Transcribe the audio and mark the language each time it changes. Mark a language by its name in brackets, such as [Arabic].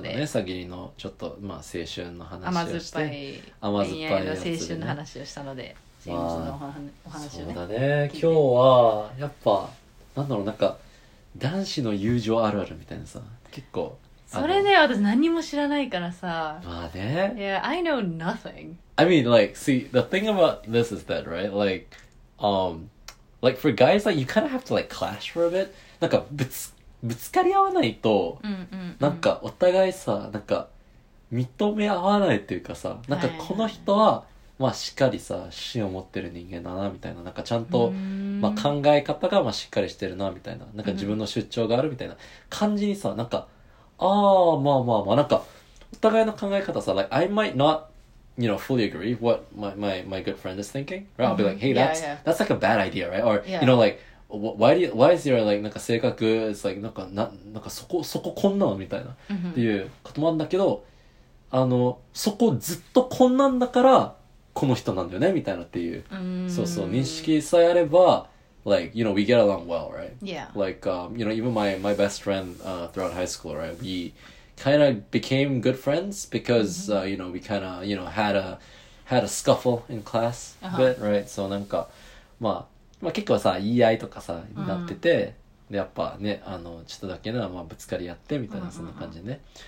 [Japanese] うん、そうだね、さぎりのちょっと、まあ、青春の話をして。甘酸っぱい。甘酸っぱい、ね。恋愛の青春の話をしたので、ジェームズのお話をね。そうだね。今日は、やっぱ、なんだろう、なんか、男子の友情あるあるみたいなさ、結構。それね、私何も知らないからさ。まあね。 [English] Yeah, I know nothing. I mean, like, see, the thing about this is that, right? Like for guys, like, you kind of have to, like, clash for a bit. [Japanese] なんか、ぶつかり合わないと、うんうんうん、なんか、お互いさ、なんか、認め合わないっていうかさ、なんか、この人は、まあ、しっかりさ、芯を持ってる人間だな、みたいな。なんか、ちゃんと、うん、まあ、考え方が、まあ、しっかりしてるな、みたいな。なんか、自分の主張があるみたいな感じにさ、なんか、ああ、まあまあまあ、なんか、お互いの考え方さ、 [English] like, I might not, you know, fully agree what my good friend is thinking, right? I'll be like, hey, that's like a bad idea, right? Or, you know, like, why is your, like, [Japanese] なんか性格 [English] is like, [Japanese] なんかそここんなのみたいな、っていうこともあるんだけど、あの、そこずっとこんなんだから、この人なんだよね、みたいなっていう。そうそう、認識さえあれば、 [English] like, you know, we get along well, right? Yeah. Like, you know, even my best friend, throughout high school, right? We kind of became good friends because, you know, we kind of, you know, had a scuffle in class a bit, right? [Japanese] So, なんか、まあ、結構さ、言い合いとかさ、なってて、で、やっぱね、あの、ちょっとだけな、まあ、ぶつかり合ってみたいな、そんな感じでね。